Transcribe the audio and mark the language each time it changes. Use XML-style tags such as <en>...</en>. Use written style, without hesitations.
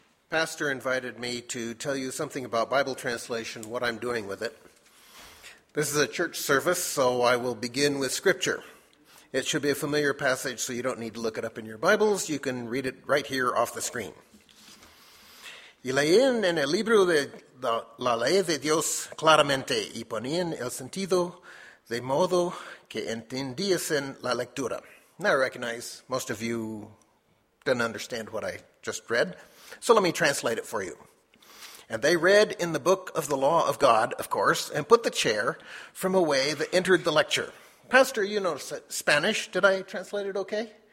<en>pastor invited me to tell you something about Bible translation, what I'm doing with it. This is a church service, so I will begin with Scripture. It should be a familiar passage, so you don't need to look it up in your Bibles. You can read it right here off the screen.</en> <es>Y leían en el libro de la ley de Dios claramente y ponían el sentido de modo que entendiesen la lectura.</es> <en>Now I recognize most of you didn't understand what I just read, so let me translate it for you. And they read in the book of the law of God, of course, and put the chair from a way that entered the lecture. Pastor, you know Spanish. Did I translate it okay?</en>